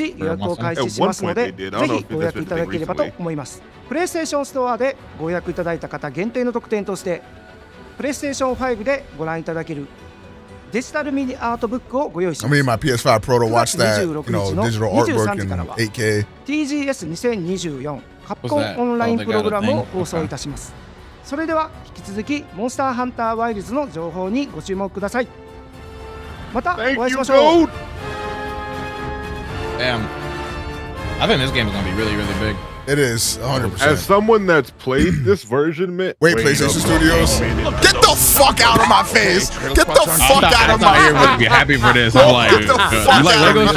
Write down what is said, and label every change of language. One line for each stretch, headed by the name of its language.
English: At one point they did. I don't know if that's been the thing recently.
Japanese: PlayStation Store で ご予約いただいた方限定の特典として PlayStation 5でご覧いただけるデジタルミニアートブックをご用意します。
English: I mean, my PS5 Pro to watch that, you know, digital artwork in 8K.
Japanese: TGS 2024カプコンオンラインプログラムを放送いたします。それでは引き続きモンスターハンターワイルズの情報にご注目ください。またお会いしましょう。
English: Damn. I think this game is gonna be really, really big. It is 100%. As someone that's played this version, wait, PlayStation Studios, get the fuck out of my face! Get the fuck out of my face! I'm not here to be happy for this. I'm like, get the fuck you like Lego out of